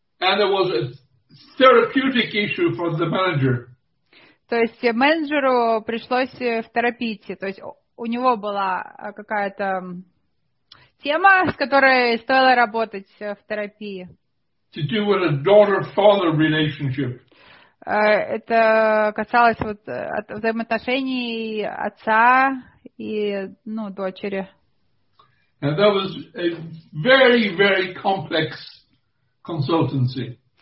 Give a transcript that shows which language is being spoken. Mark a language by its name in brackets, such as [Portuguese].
[English] And it was a therapeutic issue for the manager. [Russian] То есть менеджеру пришлось в терапии, то есть у него была какая-то тема, с которой стоило работать в терапии. [English] To do with a daughter-father relationship. [Russian] Это касалось вот взаимоотношений отца и дочери. [English] And that was a very, very complex consultancy.